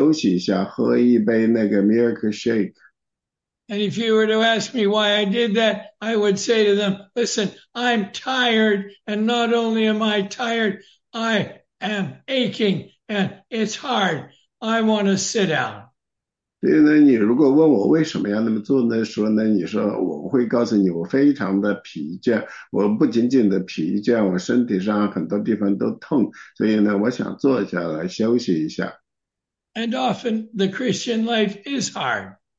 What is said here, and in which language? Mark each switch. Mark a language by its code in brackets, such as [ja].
[zh] 所以呢，就是说，我认为呢，如果我要去跑那个马拉松的话呢，我也很有可能在12英里的那个地方呢，我想留下来休息一下，喝一杯那个 milkshake。 [en] And if you were to ask me why I did that, I would say to them, listen, I'm tired, and not only am I tired, I am aching, and it's hard. I want to sit down. [zh] 所以呢，你如果问我为什么要那么做呢？说呢，你说我会告诉你，我非常的疲倦，我不仅仅的疲倦，我身体上很多地方都痛，所以呢，我想坐下来休息一下。 [en] And often the Christian life is hard.